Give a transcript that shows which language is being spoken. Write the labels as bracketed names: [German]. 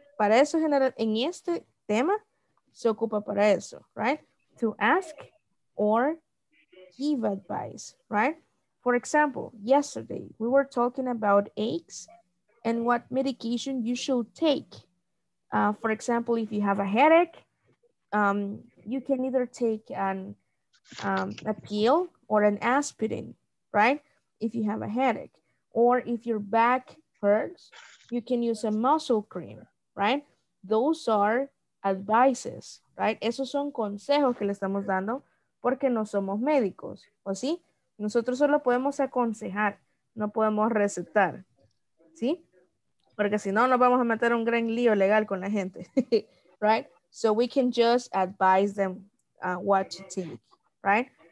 [Spanish] Para eso general en este tema se ocupa para eso. [English] Right? To ask or give advice. Right? For example, yesterday we were talking about aches and what medication you should take. For example, if you have a headache, you can either take a pill or an aspirin, right? If you have a headache. Or if your back hurts, you can use a muscle cream, right? Those are advices, right? [Spanish] Esos son consejos que le estamos dando porque no somos médicos, ¿o sí? Nosotros solo podemos aconsejar, no podemos recetar, ¿sí? Porque si no, nos vamos a meter un gran lío legal con la gente, right? [English] So we can just advise them what to take, right?